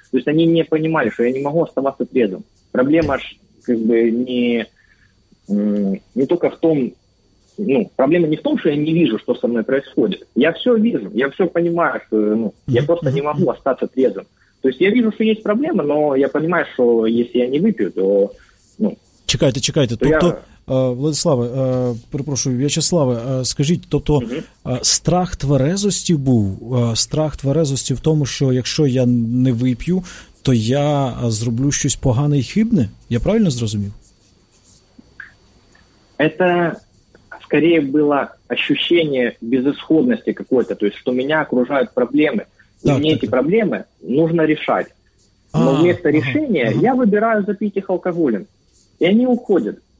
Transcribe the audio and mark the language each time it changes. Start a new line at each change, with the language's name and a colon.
Russian: То есть они не понимали, что я не могу оставаться трезвым. Проблема ж как бы не только в том... Ну, проблема не в том, что я не вижу, что со мной происходит. Я все вижу, я все понимаю, что я просто не могу остаться трезвым. То есть я вижу, что есть проблема, но я понимаю, что если я не выпью, то...
Ukrainian: Чекайте. Владиславе, перепрошую, В'ячеславе, скажіть, тобто страх тверезості був? Страх тверезості в тому, що якщо я не вип'ю, то я зроблю щось погане і хибне? Я правильно зрозумів?
Russian: Это... скорее было ощущение безысходности какой-то, то есть, что меня окружают проблемы, и мне эти проблемы нужно решать. Но вместо решения я выбираю запить их алкоголем, и они уходят.